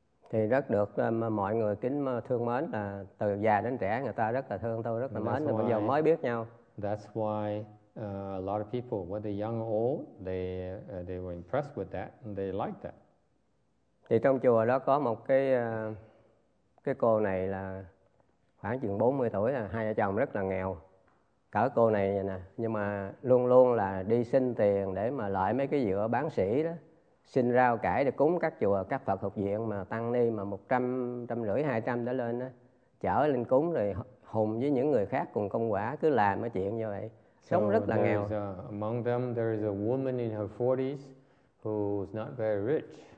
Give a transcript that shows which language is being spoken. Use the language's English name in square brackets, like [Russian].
[Vietnamese] Thì rất được mọi người kính thương mến, là từ già đến trẻ người ta rất là thương tôi, rất là mến, bây giờ mới biết nhau. [English] That's why a lot of people, whether young or old, they were impressed with that and they liked that. [Vietnamese] Thì trong chùa đó có một cái cô này là khoảng chừng 40 tuổi, là hai vợ chồng rất là nghèo. Cả cô này vậy nè, nhưng mà luôn luôn là đi xin tiền để mà lợi mấy cái dựa bán sỉ đó, xin rau cải để cúng các chùa, các Phật học viện mà tăng ni mà 100, 150, 200 đã lên đó, chở lên cúng rồi hùng với những người khác cùng công quả, cứ làm cái chuyện như vậy. [English] So among them, there is a woman in her 40s who's not very rich.